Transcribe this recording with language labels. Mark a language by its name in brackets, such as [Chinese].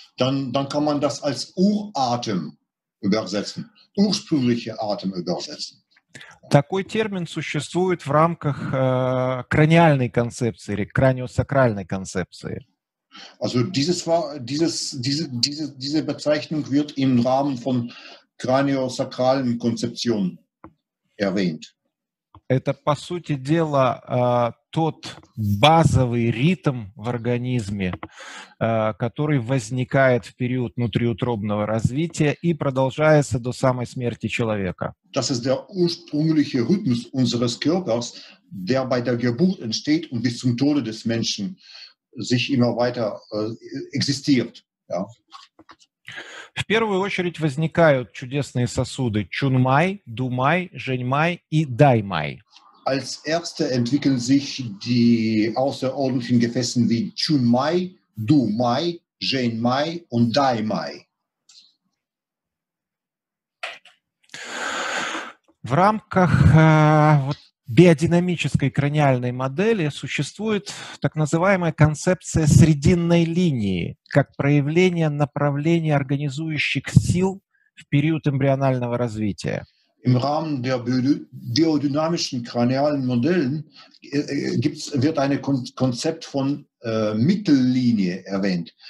[German] Dann kann man das als Uratem übersetzen, ursprüngliche Atem übersetzen. [Russian] Такой термин существует в рамках краниальной концепции или краниосакральной концепции. [German] Also diese Bezeichnung wird im Rahmen von [Russian] краниосакральной концепцией [German] erwähnt. [Russian] Это, по сути дела, тот базовый ритм в организме, который возникает в период внутриутробного развития и продолжается до самой смерти человека. [German] Das ist der ursprüngliche Rhythmus unseres Körpers, der bei der Geburt entsteht und bis zum Tode des Menschen sich immer weiter existiert. Ja. [Russian] В первую очередь возникают чудесные сосуды Чунмай, Думай, Женьмай и Даймай. [German] Als erste entwickeln sich die außerordentlichen Gefäße wie Chunmai, Dumai, Zhenmai und Daimai. [Russian] В рамках биодинамической краниальной модели существует так называемая концепция срединной линии как проявление направления организующих сил в период эмбрионального развития. [German] Im Rahmen der biodynamischen kranialen Modellen wird ein Konzept von Mittellinie erwähnt.